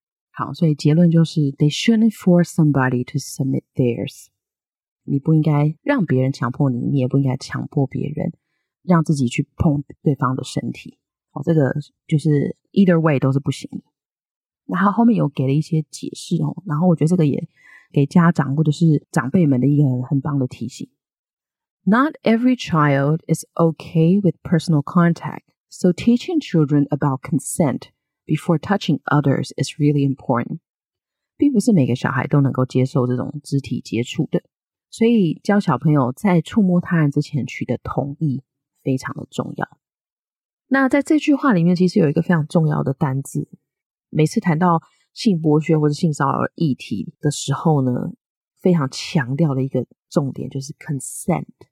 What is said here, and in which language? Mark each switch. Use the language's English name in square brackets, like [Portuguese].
[Chinese] 好，所以结论就是 [English] They shouldn't force somebody to submit theirs。 [Chinese] 你不应该让别人强迫你，你也不应该强迫别人让自己去碰对方的身体。好，这个就是 [English] either way [Chinese] 都是不行。然后后面有给了一些解释然后我觉得这个也给家长或者是长辈们的一个很棒的提醒。 [English] Not every child is okay with personal contact, so teaching children about consent before touching others is really important. [Chinese] 并不是每个小孩都能够接受这种肢体接触的，所以教小朋友在触摸他人之前取得同意非常的重要。那在这句话里面其实有一个非常重要的单字，每次谈到性剥削或者性骚扰议题的时候呢，非常强调的一个重点就是 consent。